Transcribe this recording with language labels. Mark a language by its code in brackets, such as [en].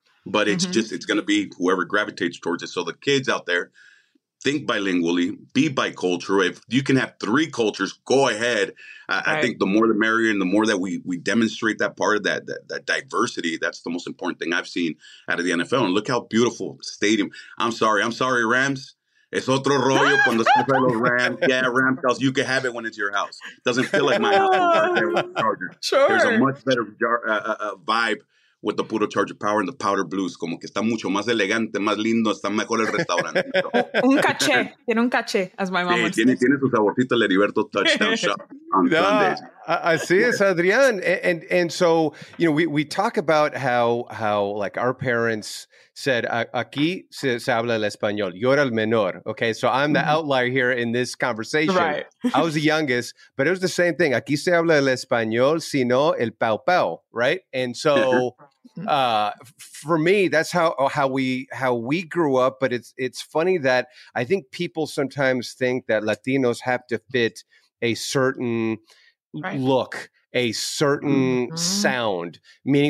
[en] But it's just, it's going to be whoever gravitates towards it. So the kids out there, think bilingually, be bicultural. If you can have three cultures, go ahead. I think the more the merrier, and the more that we demonstrate that part of that diversity, that's the most important thing I've seen out of the NFL. And look how beautiful stadium. I'm sorry, Rams. [es] Es otro rollo cuando se fue los Rams. [en] Yeah, Rams, because you can have it when it's your house. Doesn't feel like my house. There's a much better vibe with the Puro Charger Power and the Powder Blues. [es] Como que está mucho más elegante, más lindo, está mejor el restaurante. Un caché. Tiene un caché, [en] as my mom would say. [es] Tiene su saborcito el Heriberto Touchdown Shop [en] on Sundays. [es] Así es, Adrián. [en] And so, you know, we talk about how like our parents said, [es] aquí se habla el español. Yo era el menor. [en] Okay, so I'm the outlier here in this conversation. Right. I was the youngest, but it was the same thing. [es] Aquí se habla el español, sino el pau pau, [en] right? And so for me, that's how we grew up. But it's funny that I think people sometimes think that Latinos have to fit a certain look, a certain sound, meaning.